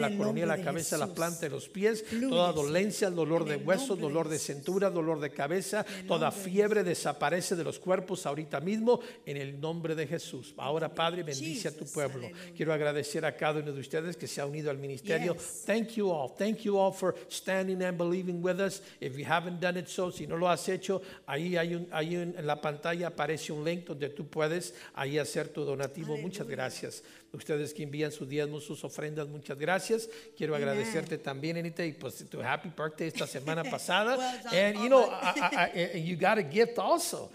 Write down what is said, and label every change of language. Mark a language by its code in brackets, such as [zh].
[es] la coronilla, la cabeza, Jesús. La planta de los pies, Lugia, toda dolencia, dolor de huesos, dolor de cintura, dolor de cabeza, toda fiebre de desaparece de los cuerpos ahorita mismo, en el nombre de Jesús. Ahora, Padre, bendice [en] Jesus, [es] a tu pueblo. Aleluya. Quiero agradecer a cada uno de ustedes que se ha unido al ministerio. [en] Yes. Thank you all. Thank you all for standing and believing with us. If you haven't done it so, [es] si no lo has hecho, ahí hay un en la pantalla aparece un link donde tú puedes ahí hacer tu donativo. Aleluya. Muchas gracias. Ustedes que envían sus diezmos, sus ofrendas, muchas gracias. Quiero Amen. Agradecerte también, Anita, y pues tu [en] happy birthday [es] esta semana pasada. [en] Well done, and you know, I you got a gift also.